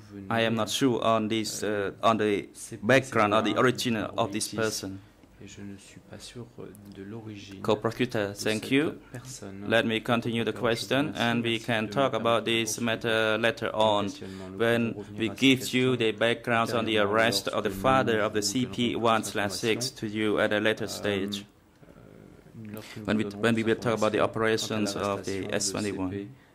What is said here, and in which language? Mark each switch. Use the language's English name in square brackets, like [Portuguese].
[English] I am not sure on this on the background or the origin of this person. [French] Et je ne suis pas sûr de l'origine. [English] Co-prosecutor, thank you. Let me continue the question, and we can talk about this matter later on when we give you the background on the arrest of the father of the CP1/6 to you at a later stage. When we will talk about the operations of the S21.